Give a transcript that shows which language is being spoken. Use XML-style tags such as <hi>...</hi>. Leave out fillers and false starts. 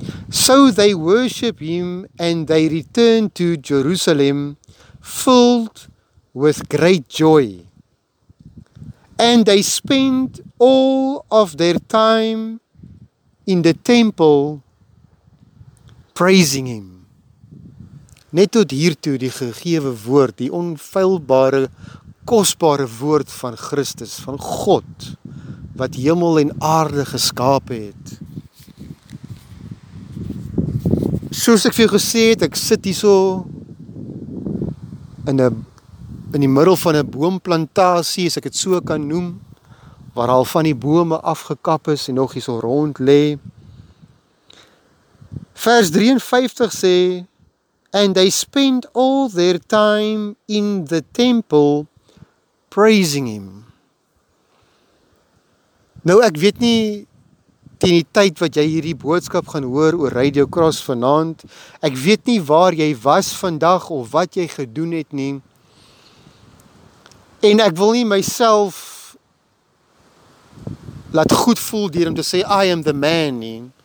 <en>So they worship him and they return to Jerusalem filled with great joy. And they spend all of their time in the temple praising him.</en> <af>Net tot hiertoe die gegewe woord, die onfeilbare, kosbare woord van Christus, van God, wat hemel en aarde geskaap het. Soos ek vir jou gesê het, ek sit hier so in die middel van 'n boomplantasie, as ek het so kan noem, waar al van die bome afgekap is en nog hier so rond lê. Vers 53 sê,</af> <en>and they spend all their time in the temple praising him.</en> <af>Nou ek weet nie teen die tyd wat jy hierdie boodskap gaan hoor oor Radio Cross vanaand, ek weet nie waar jy was vandag of wat jy gedoen het nie. En ek wil nie myself laat goed voel deur om te sê</af> <en>I am the man</en> <af>nie.</af>